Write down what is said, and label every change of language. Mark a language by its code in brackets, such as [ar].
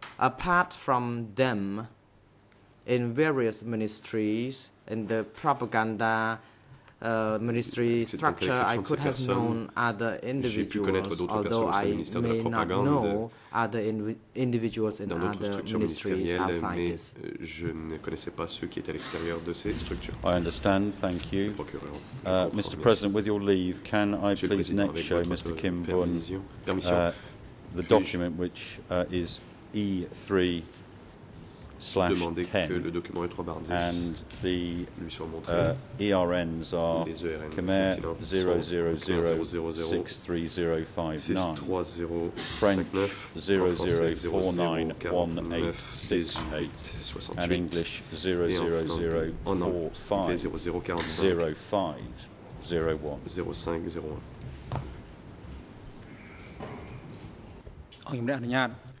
[en] Apart from them, in various ministries, in the propaganda ministry structure, I could have known other individuals, although I may not know other individuals in other ministries outside this. [fr] Je ne connaissais pas ceux qui étaient à l'extérieur de ces structures. [en] I understand, thank you. Mr. President, with your leave, can I please next show Mr. Kim Vuong the document which is E3 slash 10, [fr] que le document E3/10 [en] and the [fr] lui soit montré. [en] ERNs are Khmer 00063059, French 00491868, and English 00045051.